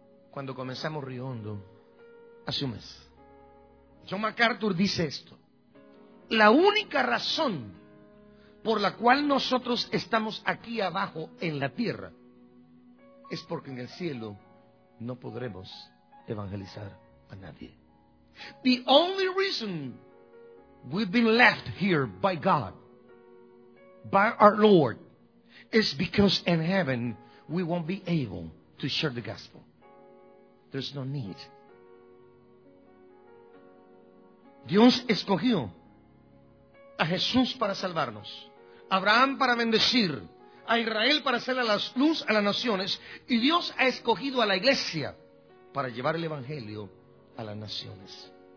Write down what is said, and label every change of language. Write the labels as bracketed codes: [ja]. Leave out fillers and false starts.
[es] Cuando comenzamos Río Hondo, hace un mes, John MacArthur dice esto: la única razón por la cual nosotros estamos aquí abajo en la tierra es porque en el cielo no podremos evangelizar a nadie. [en] The only reason we've been left here by God, by our Lord, is because in heaven we won't be able to share the gospel. There's no need. [es] Dios escogió a Jesús para salvarnos, a Abraham para bendecir, a Israel para hacer la luz a las naciones, y Dios ha escogido a la iglesia para llevar el evangelio a las naciones.